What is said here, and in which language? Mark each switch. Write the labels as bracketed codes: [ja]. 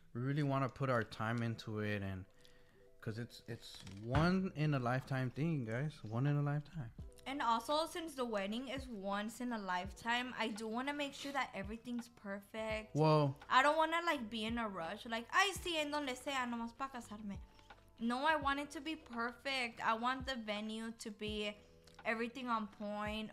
[en] We really want to put our time into it, and... Because it's one-in-a-lifetime thing, guys. One-in-a-lifetime. And also, since the wedding is once-in-a-lifetime, I do want to make sure that everything's perfect. Well... I don't want to, like, be in a rush. [es] Like, ay, sí, en donde sea, nomás para casarme. [en] No, I want it to be perfect. I want the venue to be everything on point.